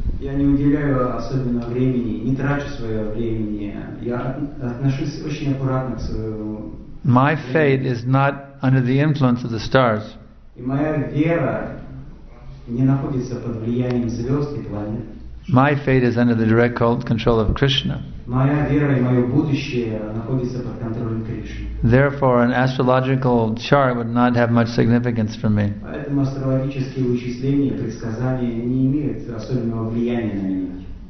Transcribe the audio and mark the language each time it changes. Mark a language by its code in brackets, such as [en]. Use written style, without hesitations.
[ru] Я не уделяю особенно времени, не трачу свое время. Я отношусь очень аккуратно к своему. [en] My faith is not under the influence of the stars. [ru] И моя вера не находится под влиянием звезд и планет. [en] My faith is under the direct control of Krishna. [ru] Моя вера и мое будущее находится под контролем Кришны. [en] Therefore, an astrological chart would not have much significance for me. [ru] Поэтому астрологические вычисления, предсказания не имеют особенного влияния на меня.